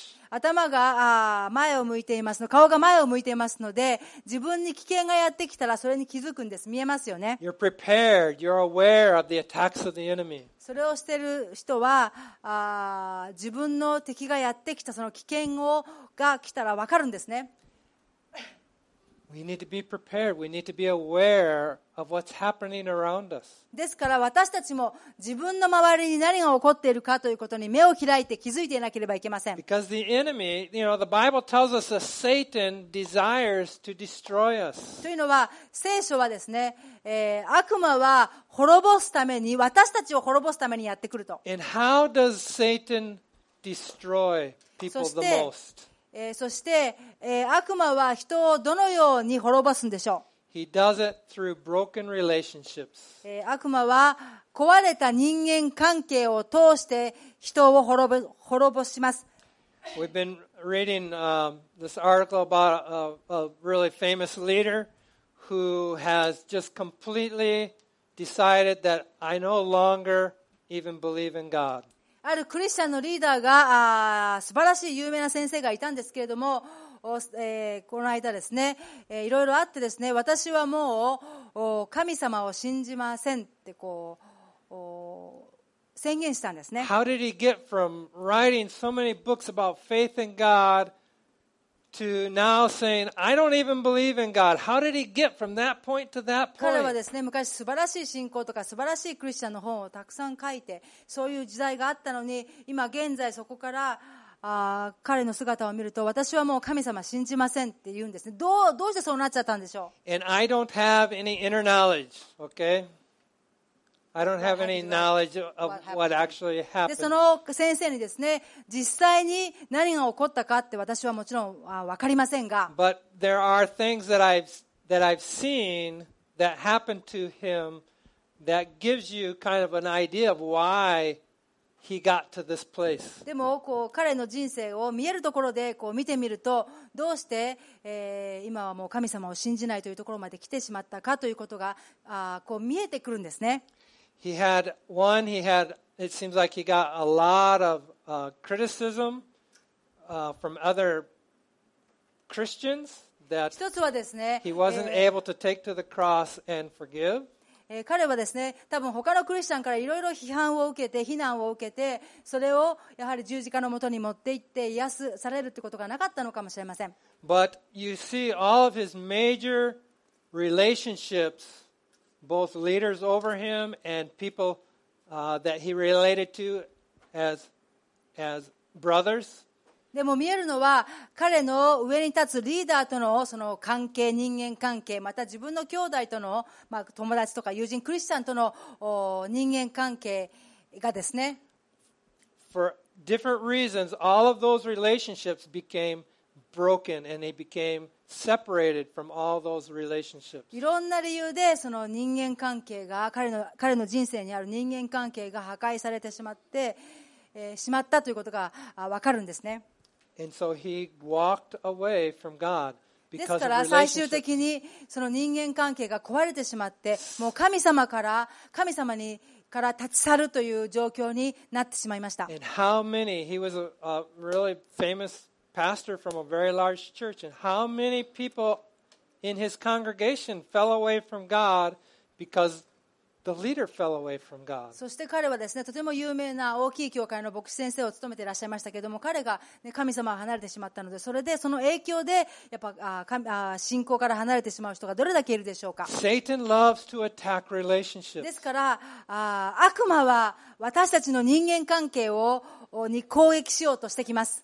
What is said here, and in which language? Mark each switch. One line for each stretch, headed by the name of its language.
Japanese: 頭が前を向いています。顔が前を向いていますので、自分に危険がやってきたらそれに気づくんです。見えますよね。
English: You're prepared. You're aware of the attacks of the enemy.
Japanese: それをしている人は自分の敵がやってきたその危険をが来たら分かるんですね。
English: We need to be prepared. We need to be aware of what's happening around us.
Japanese: ですから私たちも自分の周りに何が起こっているかということに目を開いて気づいていなければいけません。
English: Because the enemy, you know, the Bible tells us that Satan desires to destroy us.
Japanese: というのは聖書はですね、悪魔は滅ぼすために私たちを滅ぼすためにやってくると。
English: And how does Satan destroy people the most?
Japanese: そして、悪魔は人をどのように滅ぼすんでしょう。
English: He does it through broken relationships.
Japanese: 悪魔は壊れた人間関係を通して人を滅ぼします。
English: We've been reading this article about a really famous leader who has just completely decided that I no longer even believe in God.
Japanese: あるクリスチャンのリーダーが素晴らしい有名な先生がいたんですけれども、この間ですね、いろいろあってですね、私はもう神様を信じませんってこう宣言したんですね。
English: How did he get from writing so many books about faith in God to now saying, I don't even believe in God. How did he get from that point to that point?
Japanese: 彼はですね、昔素晴らしい信仰とか素晴らしいクリスチャンの本をたくさん書いて、そういう時代があったのに、今現在そこから彼の姿を見ると、私はもう神様信じませんって言うんですね。どうしてそうなっちゃったんでしょう。
English: And I don't have any inner knowledge, okay? I don't have any knowledge of what actually happened.
Japanese: でその先生にですね、実際に何が起こったかって私はもちろん分かりませんが。
English: But there are things that I've seen that happened to him that gives you kind of an idea of why he got to this place.
Japanese: でもこう彼の人生を見えるところでこう見てみると、どうして、今はもう神様を信じないというところまで来てしまったかということがこう見えてくるんですね。
English: He had one. He had. It seems like he got a lot of criticism from other Christians that he wasn't able to take to the cross and forgive.
Japanese: 彼はですね、多分他のクリスチャンからいろいろ批判を受けて、非難を受けて、それをやはり十字架のもとに持って行って癒すされるってことがなかったのかもしれません。
English: But you see all of his major relationships. Both leaders over him and people that he related to as brothers.
Japanese: でも見えるのは彼の上に立つリーダーとのその関係、人間関係、また自分の兄弟との、まあ、友達とか友人、クリスチャンとの人間関係がですね。
English: For different reasons, all of those relationships became broken and they became. Separated from all those relationships.
Japanese: いろんな理由でその人間関係が彼の人生にある人間関係が破壊されてしまって、しまったということが分かるんですね。
English: And so he walked away from God
Japanese: because ですから最終的にその人間関係が壊れてしまって、もう神様から立ち去るという状況になってしまいました。
English: And how many? He was a really famous. Pastor from a very large church, and how many people in his congregation fell away from God because the leader fell away from God.
Japanese: そして彼はですね、とても有名な大きい教会の牧師先生を務めていらっしゃいましたけれども、彼が、ね、神様を離れてしまったので、それでその影響でやっぱ信仰から離れてしまう人がどれだけいるでしょうか。
English: Satan loves to attack relationships.
Japanese: ですから悪魔は私たちの人間関係をに攻撃しようとしてきます。